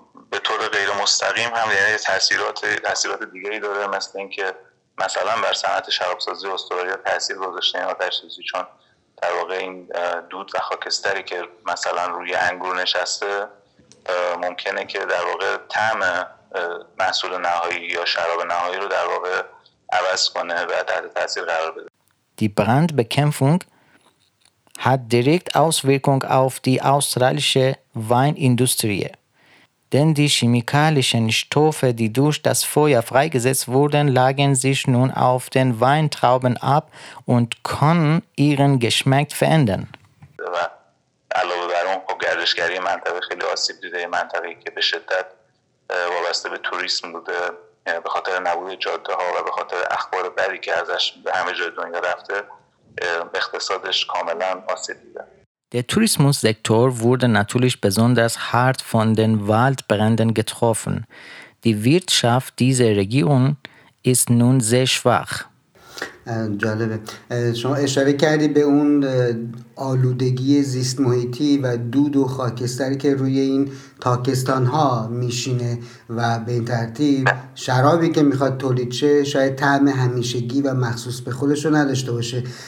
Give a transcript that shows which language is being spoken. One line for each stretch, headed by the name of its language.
Persian: به طور غیر مستقیم هم یعنی تاثیرات دیگه ای داره، مثل اینکه مثلا بر صنعت شرابسازی استرالیا تاثیر گذاشته این آتش‌سوزی، چون در واقع این دود و خاکستری که مثلا روی انگور نشسته ممکنه که در واقع طعم محصول نهایی یا شراب نهایی رو در واقع عوض کنه و تحت تاثیر قرار بده.
German: Die Brandbekämpfung hat direkt Auswirkung auf die australische Weinindustrie, denn die chemikalischen Stoffe, die durch das Feuer freigesetzt wurden, lagen sich nun auf den Weintrauben ab und konnten ihren Geschmack verändern. Also darum, ob
Persian: گردشگری منطقه خیلی آسیب دیده، منطقه‌ای که به شدت وابسته به توریسم بوده به خاطر نبود جاده ها و به خاطر اخبار بدی که ازش به همه جای دنیا رفته، اقتصادش کاملا آسیب دیده.
German: Der Tourismussektor wurde natürlich besonders hart von den Waldbränden getroffen. Die Wirtschaft dieser Region ist nun sehr schwach.
Persian: جالبه. شما اشاره کردی به اون آلودگی زیست محیطی و دود و خاکستری که روی این تاکستان ها میشینه و به این ترتیب شرابی که میخواد تولید شه شاید طعم همیشگی و مخصوص به خودش رو نداشته باشه.